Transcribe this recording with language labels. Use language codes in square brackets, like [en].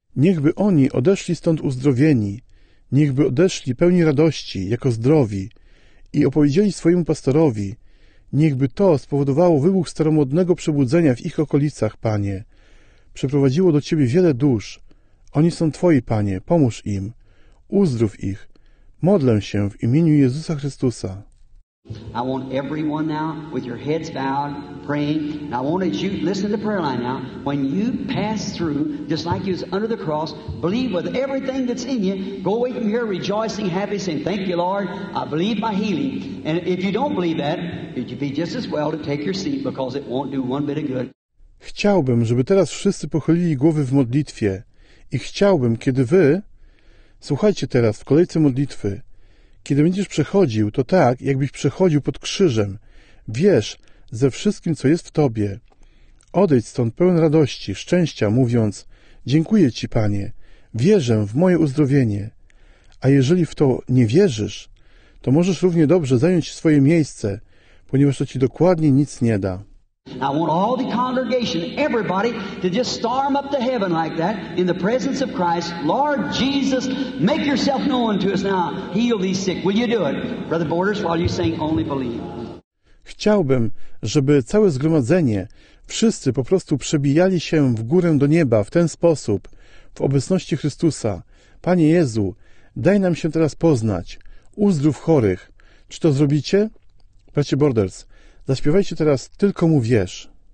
[pl] Niechby oni odeszli stąd uzdrowieni, niechby odeszli pełni radości, jako zdrowi, i opowiedzieli swojemu pastorowi, niechby to spowodowało wybuch staromodnego przebudzenia w ich okolicach, Panie. Przeprowadziło do Ciebie wiele dusz. Oni są Twoi, Panie, pomóż im. Uzdrów ich. Modlę się w imieniu Jezusa Chrystusa. [en] I want everyone now with your heads bowed, praying. And I wanted you, listen to the prayer line now. When you pass through, just like you was under the cross, believe with everything that's in you. Go away from here rejoicing, happy, saying, thank you, Lord. I believe my healing. And if you don't believe that, it would be just as well to take your seat because it won't do one bit of good. [pl] Chciałbym, żeby teraz wszyscy pochylili głowy w modlitwie. I chciałbym, kiedy wy... Słuchajcie teraz, w kolejce modlitwy. Kiedy będziesz przechodził, to tak, jakbyś przechodził pod krzyżem. Wierz ze wszystkim, co jest w tobie. Odejdź stąd pełen radości, szczęścia, mówiąc: dziękuję ci, Panie. Wierzę w moje uzdrowienie. A jeżeli w to nie wierzysz, to możesz równie dobrze zająć swoje miejsce, ponieważ to ci dokładnie nic nie da. [en] I want all the congregation, everybody, to just storm up to heaven like that in the presence of Christ. Lord Jesus, make yourself known to us now. Heal these sick. Will you do it? Brother Borders, while you sing, only believe. [pl] Chciałbym, żeby całe zgromadzenie, wszyscy po prostu przebijali się w górę do nieba w ten sposób, w obecności Chrystusa. Panie Jezu, daj nam się teraz poznać. Uzdrów chorych. Czy to zrobicie? Bracie Borders, zaśpiewajcie teraz Tylko mu wierz.